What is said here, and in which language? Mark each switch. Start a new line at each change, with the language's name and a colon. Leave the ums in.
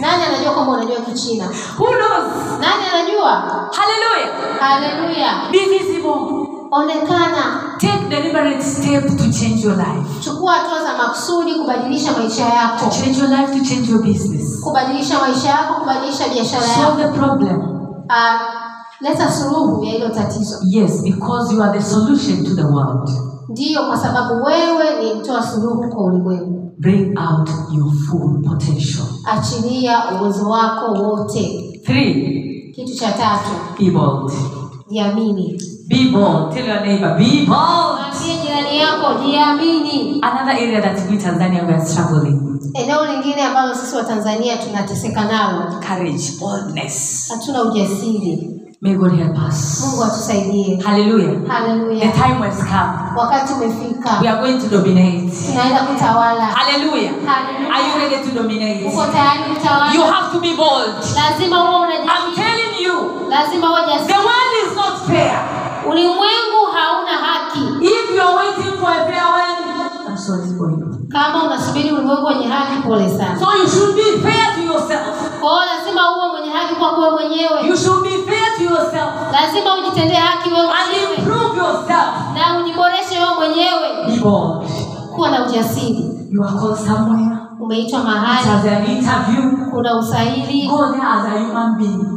Swahili: nani anajua kwamba unajua kichina
English: who knows
Swahili: nani anajua haleluya haleluya kichinaanajua onekana
English: take deliberate step to change your life
Swahili: chukua hatua za maksudi kubadilisha maisha yako
English: to change your life to change your business
Swahili: kubadilisha maisha yako kubadilisha biashara yako
English: solve the problem
Swahili: uh, leta suluhu ya hilo tatizo
English: yes because you are the solution to the world
Swahili: ndio kwa sababu wewe ni mtoa suluhu kwa ulimwengu
English: bring out your full potential
Swahili: achilia uwezo wako wote 3 kitu cha tatu evolve jiamini.
English: Be bold. Tell your neighbor, be bold. Another area that we Tanzania we are struggling.
Swahili: Eneo lingine ambalo sisi wa Tanzania tunateseka nalo.
English: Courage, boldness.
Swahili: Hatuna ujasiri.
English: May God help us.
Swahili: Mungu atusaidie.
English: Hallelujah. Hallelujah. The time has come.
Swahili: Wakati umefika.
English: We are going to dominate.
Swahili: Tunaenda kutawala.
English: Hallelujah. Hallelujah. Are you ready to dominate?
Swahili: Uko tayari kutawala?
English: You have to be bold.
Swahili: Lazima uwe unajisikia.
English: I'm telling you.
Swahili: Lazima uwe jasiri.
English: The world not fair.
Swahili: Ulimwengu hauna haki.
English: If you are waiting for a fair world, I'm sorry for you.
Swahili: Kama unasubiri ulimwengu wenye haki, pole sana.
English: So you should be fair to yourself.
Swahili: Oh, lazima uwe mwenye haki kwa kuwa mwenyewe.
English: You should be fair to yourself.
Swahili: Lazima ujitendee haki wewe mwenyewe.
English: And improve yourself.
Swahili: Na ujiboreshe wewe mwenyewe.
English: Be bold.
Swahili: Kuwa na ujasiri.
English: You are called somewhere.
Swahili: Umeitwa mahali.
English: As an interview.
Swahili: Kuna usaili.
English: Go there as a human being.